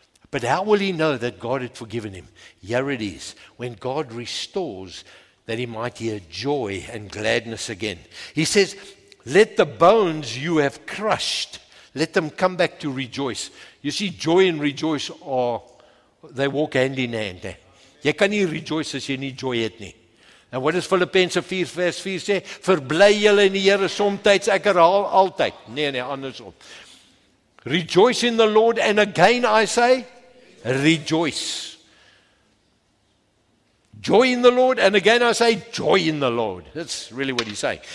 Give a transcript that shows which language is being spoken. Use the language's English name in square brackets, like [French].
[English] But how will he know that God had forgiven him? Here it is. When God restores, that he might hear joy and gladness again. He says, let the bones you have crushed, let them come back to rejoice. You see, joy and rejoice are, they walk hand in hand. [Afrikaans] Jy kan nie rejoice as jy nie joy het nie. [English] And what does Philippians 4 verse 4 say? [Afrikaans] Verbly julle in die Here somtyds, ek herhaal altyd. Nee, andersom. [English] Rejoice in the Lord, and again I say, rejoice. Joy in the Lord, and again I say, joy in the Lord. That's really what he's saying.